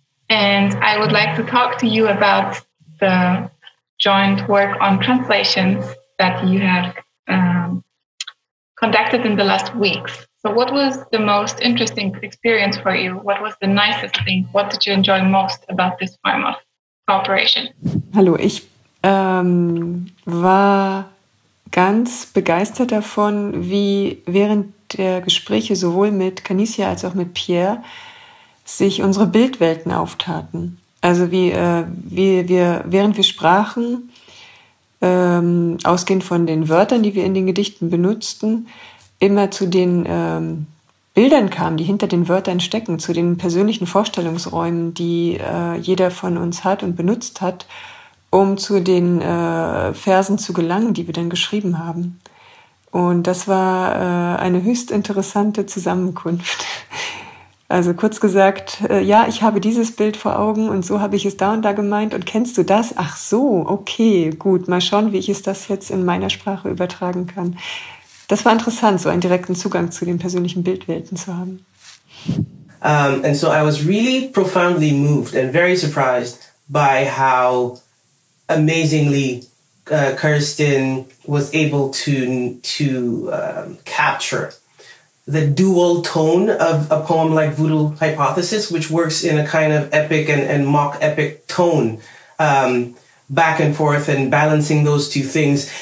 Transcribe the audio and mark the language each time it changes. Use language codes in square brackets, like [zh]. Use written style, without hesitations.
[en] And I would like to talk to you about the joint work on translations that you have conducted in the last weeks. So what was the most interesting experience for you? What was the nicest thing? What did you enjoy most about this form of cooperation? [de] Hallo, ich war ganz begeistert davon, wie während der Gespräche sowohl mit Canicia als auch mit Pierre sich unsere Bildwelten auftaten. Also während wir sprachen, ausgehend von den Wörtern, die wir in den Gedichten benutzten, immer zu den Bildern kamen, die hinter den Wörtern stecken, zu den persönlichen Vorstellungsräumen, die jeder von uns hat und benutzt hat, um zu den Versen zu gelangen, die wir dann geschrieben haben. Und das war eine höchst interessante Zusammenkunft. Also kurz gesagt, ja, ich habe dieses Bild vor Augen und so habe ich es da und da gemeint. Und kennst du das? Ach so, okay, gut, mal schauen, wie ich es das jetzt in meiner Sprache übertragen kann. Das war interessant, so einen direkten Zugang zu den persönlichen Bildwelten zu haben. [en] And so I was really profoundly moved and very surprised by how amazingly Kerstin was able to capture the dual tone of a poem like Voodoo Hypothesis, which works in a kind of epic and mock epic tone, back and forth and balancing those two things.